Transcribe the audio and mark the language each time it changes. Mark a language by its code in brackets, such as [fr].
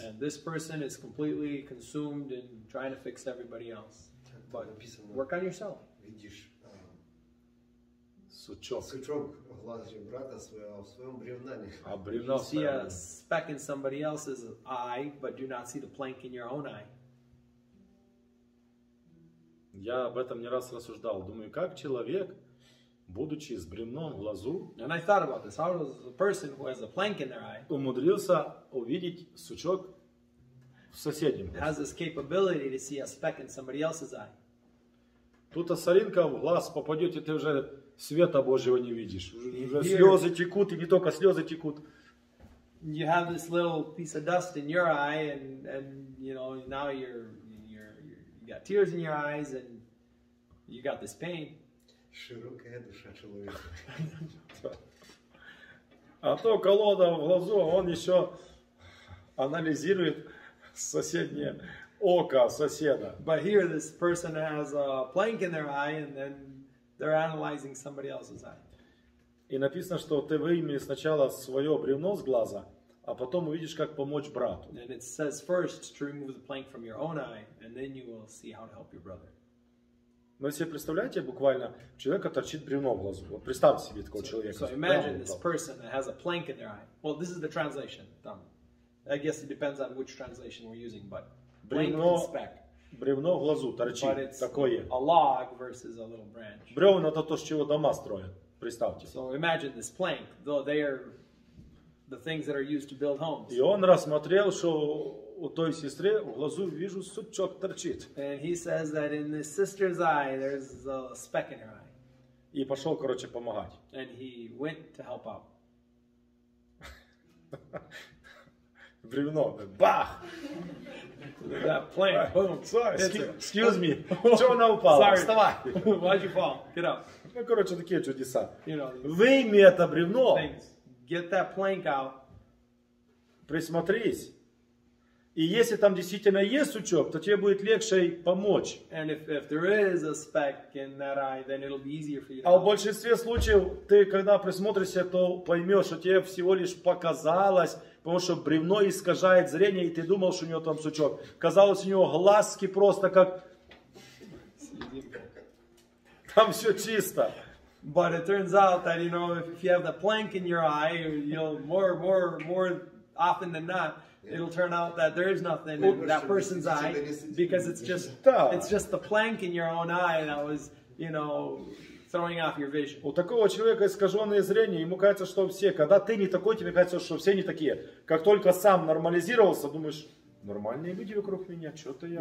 [en] And this person is completely consumed in trying to fix everybody else. But work on yourself. [ru] Видишь, сучок. Сучок в глазе брата своего, в своем бревнане. А бревно в своем. [en] You see a speck in somebody else's eye, but do not see the plank in your own eye. [ru] Я об этом не раз рассуждал. Думаю, как человек, будучи с бревном в глазу, [en] and I thought about this. How does a person who has a plank in their eye [ru] умудрился увидеть сучок в соседнем глазу? [en] Has this capability to see a speck in somebody else's eye. [ru] Тут соринка в глаз попадет, и ты уже света Божьего не видишь. Уже слезы текут, и не только слезы текут. [en] You have this little piece of dust in your eye, and you know, now you got tears in your eyes and you got this pain. [ru] Широкая душа человека. А то колода в глазу, он еще анализирует соседнее око соседа. [en] But here this person has a plank in their eye and then they're analyzing somebody else's eye. [ru] И написано, что ты выйми сначала свое бревно с глаза, а потом увидишь, как помочь брату. [en] And it says first to remove the plank from your own eye, and then you will see how to help your brother. [ru] Но если представляете, буквально человека торчит бревно в глазу. Вот представьте себе такого человека. [en] So imagine this person that has a plank in their eye. Well, this is the translation. [ru] Там, [en] I guess it depends on which translation we're using, but бревно, plank and speck. [ru] Бревно в глазу торчит такое. [en] A log versus a little branch. [ru] Бревно это то, с чего дома строят. Представьте. [en] So imagine this plank, though they are the things that are used to build homes. [ru] И он рассмотрел, что у той сестры в глазу вижу сучок торчит. [en] And he says that in the sister's eye there's a speck in her eye. [ru] И пошел, короче, помогать. [en] And he went to help out. [ru] Бревно, бах. [en] That plank. Boom. Sorry. Excuse me. [ru] Что она упала? [en] Sorry. [ru] Вставай. [en] Why'd you fall? Get up. [ru] Ну, короче, такие чудеса. [en] You know. [ru] Выйми это бревно. [en] Things. Get that plank out. [ru] Присмотрись. И если там действительно есть сучок, то тебе будет легче помочь. [en] And if there is a speck in that eye, then it'll be easier for you. [ru] А в большинстве случаев ты, когда присмотришься, то поймешь, что тебе всего лишь показалось, потому что бревно искажает зрение, и ты думал, что у него там сучок. Казалось, у него глазки просто как... Там все чисто. [en] But it turns out that, you know, if you have the plank in your eye, you'll more often than not, yeah, it'll turn out that there is nothing in that person's eye, because it's just the plank in your own eye that was, you know, throwing off your vision. [ru] У такого человека искаженное зрение, ему кажется, что все, когда ты не такой, тебе кажется, что все не такие. Как только сам нормализировался, думаешь, Нормальные люди вокруг меня, что-то я.